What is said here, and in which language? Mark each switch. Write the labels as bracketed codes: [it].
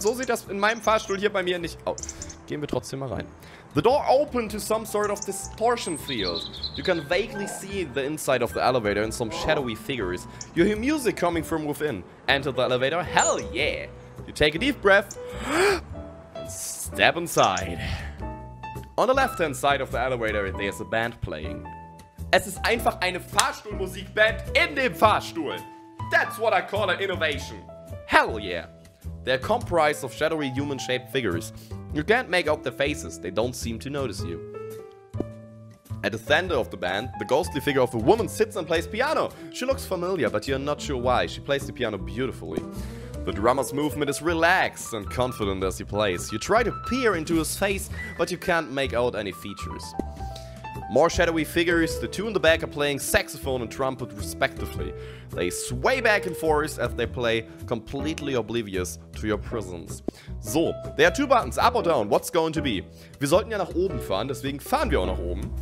[de] So sieht das in meinem Fahrstuhl hier bei mir nicht aus. Gehen wir trotzdem mal rein. [en] The door opened to some sort of distortion field. You can vaguely see the inside of the elevator and some shadowy figures. You hear music coming from within. Enter the elevator. Hell yeah. You take a deep breath. Step inside. On the left hand side of the elevator there's a band playing. [de] Es ist einfach eine Fahrstuhlmusikband in dem Fahrstuhl. [en] That's what I call an innovation. Hell yeah. They're comprised of shadowy human shaped figures. You can't make out their faces. They don't seem to notice you. At the center of the band, the ghostly figure of a woman sits and plays piano. She looks familiar, but you're not sure why. She plays the piano beautifully. The drummer's movement is relaxed and confident as he plays. You try to peer into his face, but you can't make out any features. More shadowy figures, the two in the back are playing saxophone and trumpet respectively. They sway back and forth as they play, completely oblivious to your presence. So, there are two buttons, up or down, what's going to be? [de] Wir sollten ja nach oben fahren, deswegen fahren wir auch nach oben.